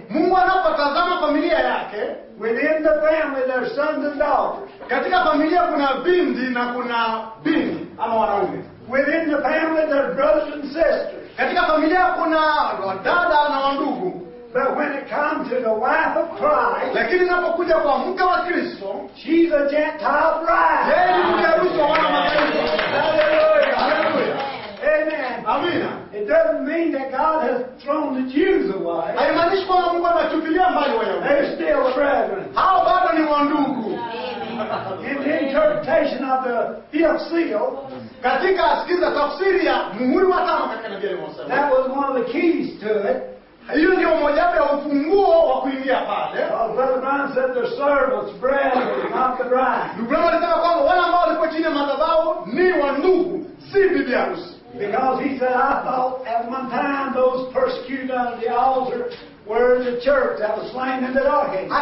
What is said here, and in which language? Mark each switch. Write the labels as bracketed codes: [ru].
[sw] Mungu anapotazama familia yake, [en] within the family there are sons and daughters. [sw] Katika familia kuna binti na kuna binti ama wanaume. [en] Within the family there are brothers and sisters. [sw] Katika familia kuna dada na wandugu. [en] But when it comes to the wife of Christ, [sw] lakini inapokuja kwa mke wa Kristo, [en] she's a Gentile bride. [sw] Yeye ni mke wa wana wa mataifa. Hallelujah. Amina. [en] It doesn't mean that God has thrown the Jews away. [sw] Haimaanishi kwamba Mungu anatupilia mbali Wayahudi. [en] They're still brethren. [sw] Hao bado ni wandugu. [en] In the interpretation of the fifth seal, [sw] katika sikiza tafsiri ya muhuri wa tano katika Nabii Yeremia. [en] That was one of the keys to it. [sw] Hiyo ndio moja ya ufunguo wa kuingia pale. [en] Brother Brown said the servants, brethren, not the bride. [sw] Brother Brown alisema kwamba wale ambao walikuwa chini ya madhabahu ni wandugu, si bibi harusi. [en] Because he said, I thought at one time those persecuted under the altar were the church that was slain in the dark ages.